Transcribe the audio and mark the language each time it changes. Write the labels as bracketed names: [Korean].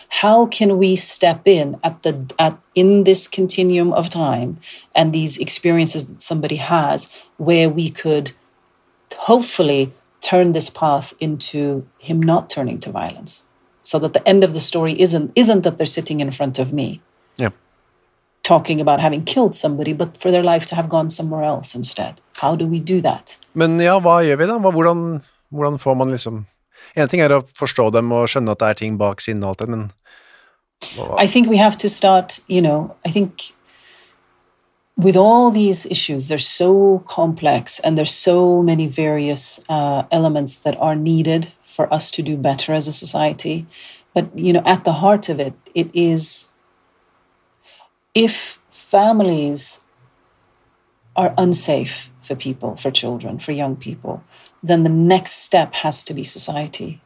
[English] How can we step in in this continuum of time and these experiences that somebody has where we could hopefully turn this path into him not turning to violence so that the end of the story isn't that they're sitting in front of me talking about having killed somebody, but for their life to have gone somewhere else instead. How do we do that? [Norwegian] Men ja, hva gjør vi da? Hvordan får man liksom... En ting å forstå dem og skjønne at det ting bak sinne og alt det, men... [English] I think we have to start, you know, I think... With all these issues, they're so complex and there's so many various elements that are needed for us to do better as a society. But, you know, at the heart of it, it is if families are unsafe for people, for children, for young people, then the next step has to be society.